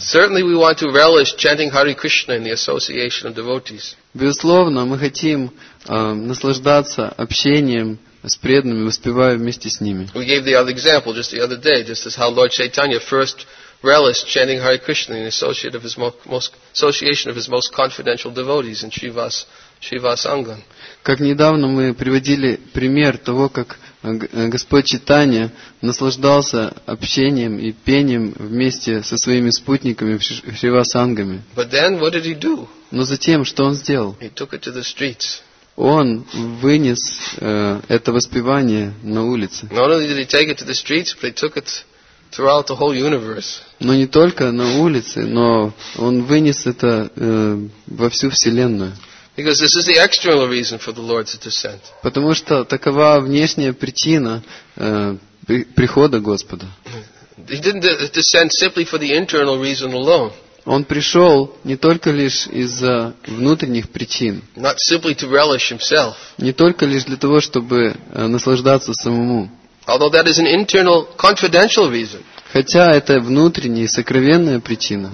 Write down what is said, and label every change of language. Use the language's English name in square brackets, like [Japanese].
[English] Certainly we want to relish chanting Hare Krishna in the association of devotees. [Russian] Безусловно, мы хотим наслаждаться общением с преданными, воспевая вместе с ними. [English] We gave the other example just the other day, just as how Lord Chaitanya first relish chanting Hare Krishna in the association of his most confidential devotees in Shrivasangam. [Russian] Как недавно мы приводили пример того, как Господь Чайтанья наслаждался общением и пением вместе со своими спутниками в Шривасангаме. [English] But then what did he do? [Russian] Но затем что он сделал? [English] He took it to the streets. [Russian] Он вынес это воспевание на улицы. [English] Not only did he take it to the streets, but he took it throughout the whole universe. [Russian] Но не только на улице, но он вынес это во всю вселенную. [English] Because this is the external reason for the Lord's descent. [Russian] Потому что такова внешняя причина прихода Господа. [English] He didn't descend simply for the internal reason alone. [Russian] Он пришел не только лишь из-за внутренних причин. [English] Not simply to relish himself. [Russian] Не только лишь для того, чтобы наслаждаться самому. [English] Although that is an internal, confidential reason. [Russian] Хотя это внутренняя, сокровенная причина.